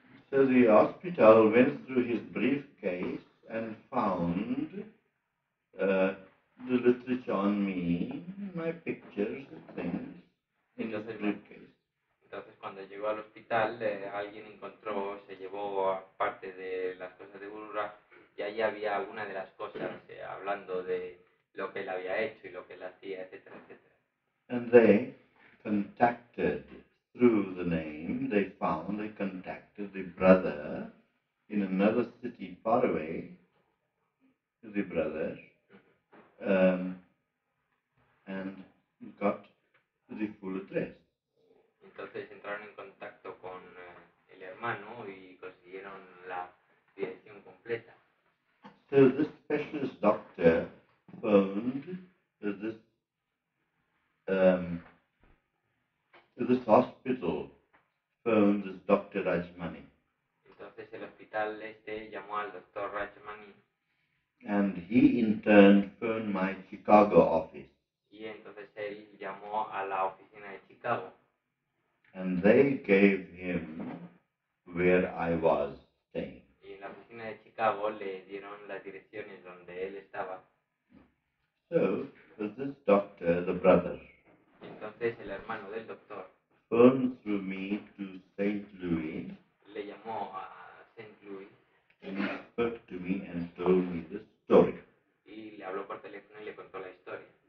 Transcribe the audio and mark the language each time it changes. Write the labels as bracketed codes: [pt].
[en] So the hospital went through his briefcase and found the literature on me, my pictures and things in the briefcase. [es] Entonces cuando llegó al hospital, alguien encontró, se llevó parte de las cosas de Burra y ahí había alguna de las cosas hablando de lo que él había hecho y lo que él hacía, etcétera, etcétera. [en] And they contacted through the name, they contacted the brother in another city far away, the brother, and got the full address. [es] Entonces entraron en contacto con el hermano y consiguieron la dirección completa. [en] So this specialist doctor phoned this hospital phoned this Dr. Rajmani. [es] Entonces el hospital este llamó al Dr. Rajmani. [en] And he in turn phoned my Chicago office. [es] Y entonces él llamó a la oficina de Chicago. [en] And they gave him where I was staying. [es] Y en la oficina de Chicago le dieron las direcciones donde él estaba. [en] So, this doctor, the brother. [es] Entonces el hermano del doctor. [en] Phoned through me to St. Louis. [es] Le llamó a St. Louis. [en] And he spoke to me and told me the story. [es] Y le habló por teléfono y le contó la historia.